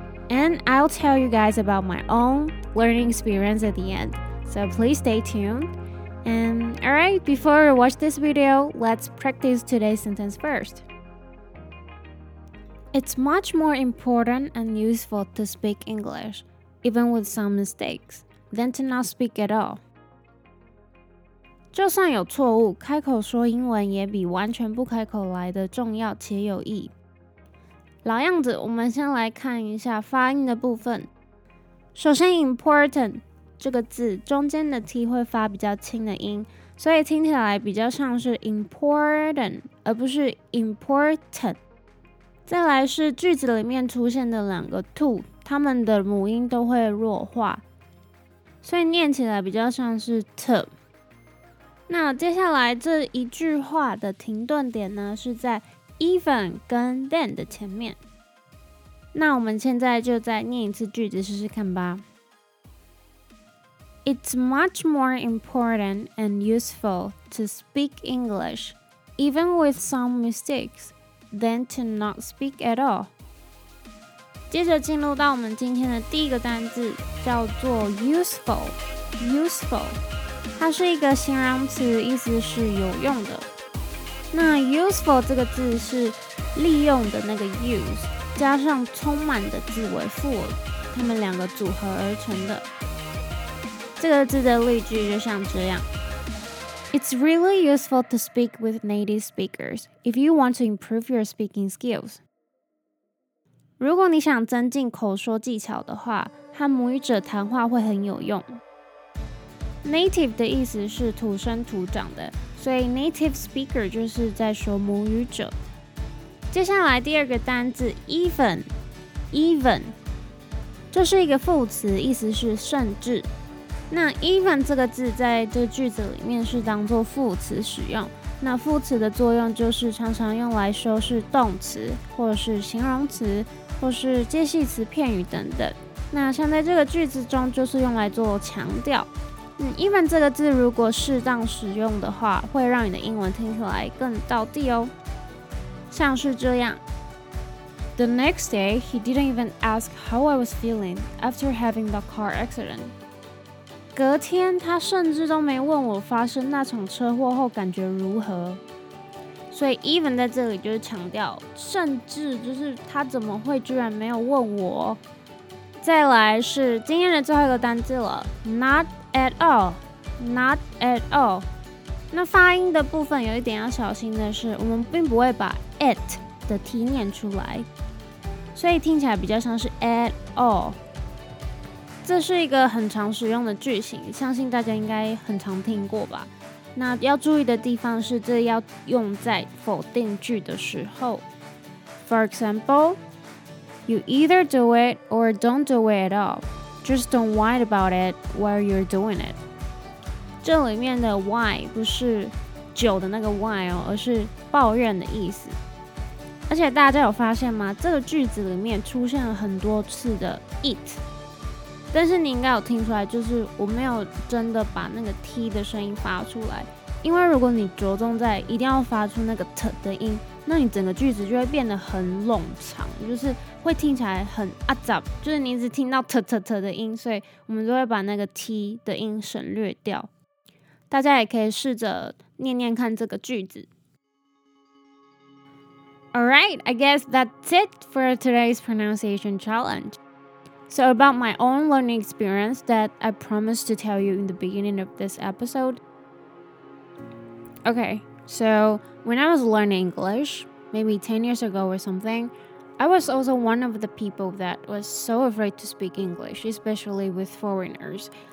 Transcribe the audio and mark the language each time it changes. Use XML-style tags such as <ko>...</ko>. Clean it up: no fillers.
<en>And I'll tell you guys about my own learning experience at the end, so please stay tuned. And alright, before we watch this video, let's practice today's sentence first. It's much more important and useful to speak English, even with some mistakes, than to not speak at all.</en> <zh>就算有错误，开口说英文也比完全不开口来的重要且有益。老样子，我们先来看一下发音的部分。首先 ，important 这个字中间的 t 会发比较轻的音，所以听起来比较像是 important 而不是 important。再来是句子里面出现的两个 to， 它们的母音都会弱化，所以念起来比较像是 to。那接下来这一句话的停顿点呢，是在 even 跟 than 的前面。那我们现在就再念一次句子试试看吧。</zh> <en>It's much more important and useful to speak English, even with some mistakes. than to not speak at all.</en> <zh>接着进入到我们今天的第一个单字，叫做 useful。 useful 它是一个形容词，意思是有用的。那 useful 这个字是利用的那个 use 加上充满的字尾 full， 它们两个组合而成的。这个字的例句就像这样。</zh> <en>It's really useful to speak with native speakers if you want to improve your speaking skills.</en> <zh>如果你想增进口说技巧的话，和母语者谈话会很有用。 Native 的意思是土生土长的，所以 native speaker 就是在说母语者。接下来第二个单字 even， 这是一个副词，意思是甚至。那 even 这个字在这句子里面是当作副词使用，那副词的作用就是常常用来修饰动词或是形容词或是介系词片语等等。那像在这个句子中就是用来做强调。even 这个字如果适当使用的话，会让你的英文听起来更道地哦。像是这样。</zh> <en>The next day, he didn't even ask how I was feeling after having the car accident.</en> <zh>隔天他甚至都没问我发生那场车祸后感觉如何。所以 even 在这里就是强调甚至，就是他怎么会居然没有问我。再来是今天的最后一个单字了，</zh> <en>not at all。</en> <zh>那发音的部分有一点要小心的是，我们并不会把 at 的 t 念出来，所以听起来比较像是 at all。这是一个很常使用的句型，相信大家应该很常听过吧。那要注意的地方是，这要用在否定句的时候。</zh> <en>For example, you either do it or don't do it at all. Just don't whine about it while you're doing it.</en> <zh>这里面的 why 不是酒的那个 why 哦，而是抱怨的意思。而且大家有发现吗？这个句子里面出现了很多次的 it。但是你应该有听出来，就是我没有真的把那个 T 的声音发出来，因为如果你着重在一定要发出那个 T 的音，那你整个句子就会变得很冗长，就是会听起来很阿杂，就是你一直听到特特特的音，所以我们就会把那个 T 的音省略掉。大家也可以试着念念看这个句子。</zh> <en>Alright, I guess that's it for today's pronunciation challenge. So about my own learning experience that I promised to tell you in the beginning of this episode. Okay, so when I was learning English, maybe 10 years ago or something, I was also one of the people that was so afraid to speak English, especially with foreigners.</en>